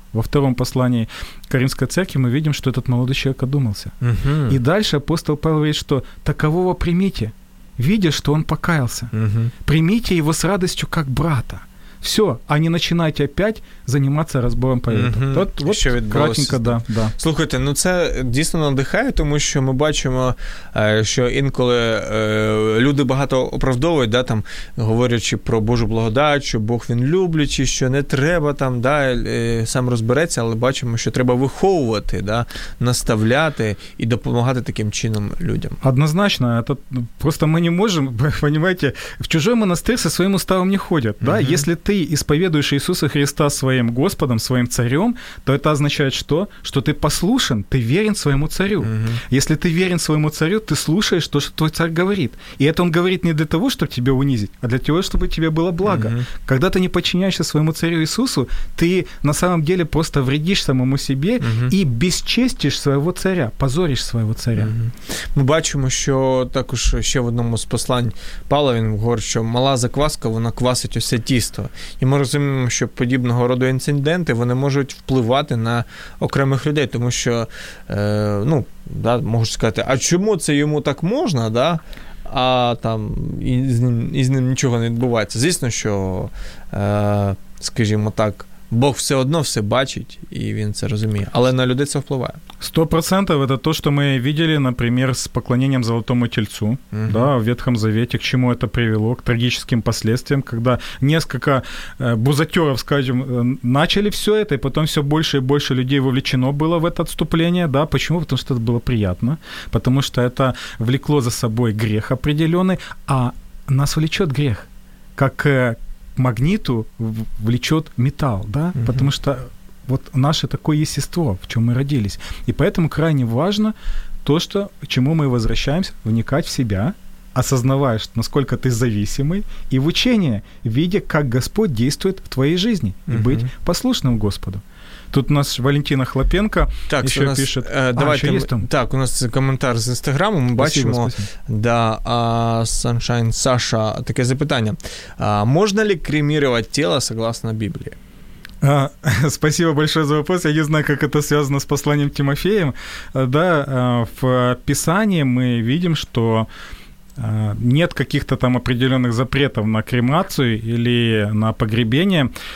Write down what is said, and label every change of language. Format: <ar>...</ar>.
<ru>Во втором послании Коринфской церкви мы видим, что этот молодой человек одумался. И дальше апостол Павел говорит, что такового примите, видя, что он покаялся. Примите его с радостью как брата. Все, а не начинайте опять заниматься разбором повіту. Вот кратенько, да, да.</ru> <uk>Слухайте, ну це дійсно надихає, тому що ми бачимо, що інколи люди багато оправдовують, да, там, говорячи про Божу благодать, що Бог він люблячий, що не треба там, да, сам розбереться, але бачимо, що треба виховувати, да, наставляти і допомагати таким чином людям.</uk> <ru>Однозначно, это просто</ru> <uk>ми не можемо,</uk> <ru>понимаете, в чужой монастир со своїм уставом не ходять, да,</ru> <uk>якщо</uk> <ru>ты исповедуешь Иисуса Христа своим Господом, своим Царем, то это означает что? Что ты послушен, ты верен своему Царю. Если ты верен своему Царю, ты слушаешь то, что твой Царь говорит. И это он говорит не для того, чтобы тебя унизить, а для того, чтобы тебе было благо. Когда ты не подчиняешься своему Царю Иисусу, ты на самом деле просто вредишь самому себе и бесчестишь своего Царя, позоришь своего Царя.</ru> <uk>Мы бачимо, що також ще в одному з послань Павла, він говорить, що мала закваска, вона квасить усе тісто. І ми розуміємо, що подібного роду інциденти, вони можуть впливати на окремих людей, тому що, ну, да, можуть сказати, а чому це йому так можна, да, а там із ним нічого не відбувається. Звісно, що, скажімо так, Бог все одно все бачить, и він це розуміє. Але на людей це впливає.</uk> <ru>100% это то, что мы видели, например, с поклонением золотому тельцу, да, в Ветхом Завете, к чему это привело, к трагическим последствиям, когда несколько бузатеров, скажем, начали все это, и потом все больше и больше людей вовлечено было в это отступление, да, почему? Потому что это было приятно, потому что это влекло за собой грех определенный, а нас влечет грех, как магниту влечет металл, да, потому что вот наше такое естество, в чем мы родились. И поэтому крайне важно то, что, к чему мы возвращаемся, вникать в себя, осознавая, насколько ты зависимый, и в учение, видя, как Господь действует в твоей жизни, и быть послушным Господу. Тут у нас Валентина Хлопенко так, еще нас, пишет.</ru> <uk>У нас коментарь з Інстаграму. Ми бачимо, да, Sunshine Саша, таке запитання.</uk> <ru>Можна ли кремировать тело согласно Библии? Спасибо большое за вопрос. Я не знаю, как это связано с посланием Тимофеем. Да, в Писании мы видим, что нет каких-то там определенных запретов на кремацию или на погребение.</ru>